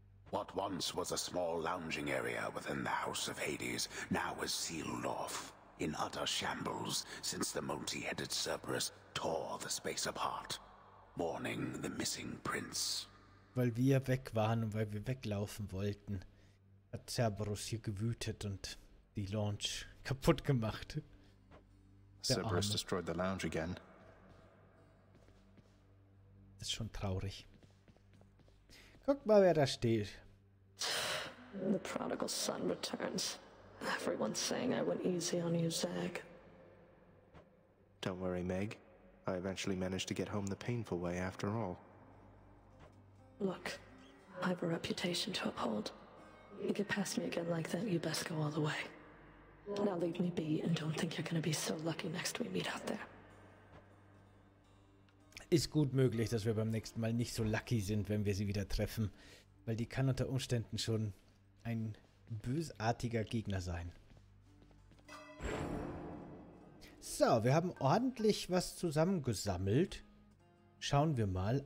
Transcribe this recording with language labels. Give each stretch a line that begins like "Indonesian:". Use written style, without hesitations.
English: What once was a small lounging area within the House of Hades now is sealed off in utter shambles since the multi-headed Cerberus tore the space apart, mourning the missing prince.
German: Weil wir weg waren und weil wir weglaufen wollten, hat Cerberus hier gewütet und die Lounge kaputt gemacht.
English: Cerberus destroyed the lounge again.
German: Das ist schon traurig. Guck mal, wer da steht.
English: The prodigal son returns. Everyone's saying I went easy on you, Zag. Don't worry, Meg. I eventually managed to get home the painful way after all. Look, I've a reputation to uphold. You get past me again like that, you best go all the way. Now leave me be and don't think you're gonna be so lucky next we meet out there.
German: Ist gut möglich, dass wir beim nächsten Mal nicht so lucky sind, wenn wir sie wieder treffen. Weil die kann unter Umständen schon ein bösartiger Gegner sein. So, wir haben ordentlich was zusammengesammelt. Schauen wir mal.